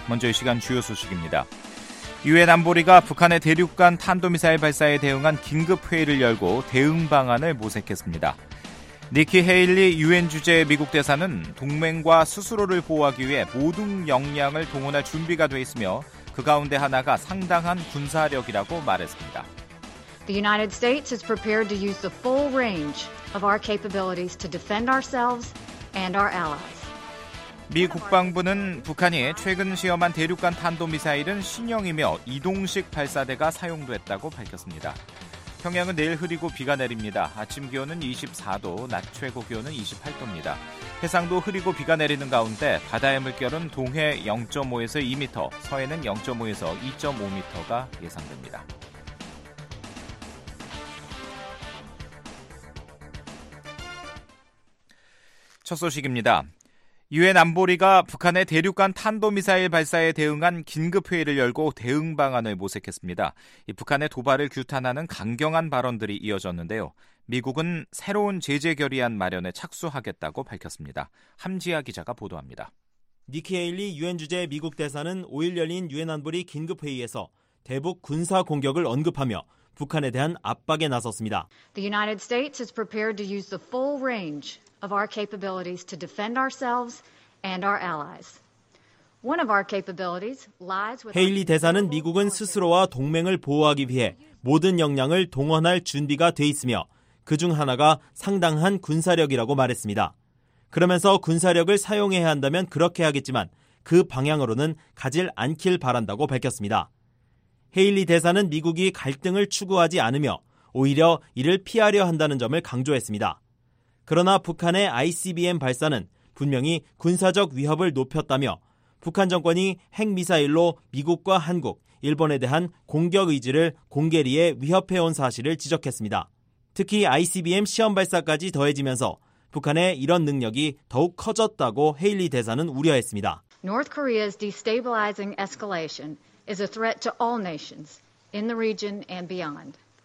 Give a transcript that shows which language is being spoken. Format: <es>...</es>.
<ko>먼저 이 시간 주요 소식입니다. 유엔 안보리가 북한의 대륙간 탄도미사일 발사에 대응한 긴급회의를 열고 대응 방안을 모색했습니다. 니키 헤일리 유엔 주재 미국 대사는 동맹과 스스로를 보호하기 위해 모든 역량을 동원할 준비가 돼 있으며 그 가운데 하나가 상당한 군사력이라고 말했습니다.</ko> <en>The United States is prepared to use the full range of our capabilities to defend ourselves and our allies.</en> <ko>미 국방부는 북한이 최근 시험한 대륙간 탄도미사일은 신형이며 이동식 발사대가 사용됐다고 밝혔습니다. 평양은 내일 흐리고 비가 내립니다. 아침 기온은 24도, 낮 최고 기온은 28도입니다. 해상도 흐리고 비가 내리는 가운데 바다의 물결은 동해 0.5에서 2m, 서해는 0.5에서 2.5m가 예상됩니다. 첫 소식입니다. 유엔 안보리가 북한의 대륙간 탄도미사일 발사에 대응한 긴급회의를 열고 대응 방안을 모색했습니다. 이 북한의 도발을 규탄하는 강경한 발언들이 이어졌는데요. 미국은 새로운 제재 결의안 마련에 착수하겠다고 밝혔습니다. 함지아 기자가 보도합니다. 니키 헤일리 유엔 주재 미국 대사는 5일 열린 유엔 안보리 긴급회의에서 대북 군사 공격을 언급하며 북한에 대한 압박에 나섰습니다.</ko> <en>The United States is prepared to use the full range of our capabilities to defend ourselves and our allies. One of our capabilities lies with</en> <ko>헤일리 대사는 미국은 스스로와 동맹을 보호하기 위해 모든 역량을 동원할 준비가 돼 있으며 그중 하나가 상당한 군사력이라고 말했습니다. 그러면서 군사력을 사용해야 한다면 그렇게 하겠지만 그 방향으로는 가질 않길 바란다고 밝혔습니다. 헤일리 대사는 미국이 갈등을 추구하지 않으며 오히려 이를 피하려 한다는 점을 강조했습니다. 그러나 북한의 ICBM 발사는 분명히 군사적 위협을 높였다며 북한 정권이 핵미사일로 미국과 한국, 일본에 대한 공격 의지를 공개리에 위협해온 사실을 지적했습니다. 특히 ICBM 시험 발사까지 더해지면서 북한의 이런 능력이 더욱 커졌다고 헤일리 대사는 우려했습니다.</ko> <en>North Korea's destabilizing escalation is a threat to all nations in the region and beyond.</en>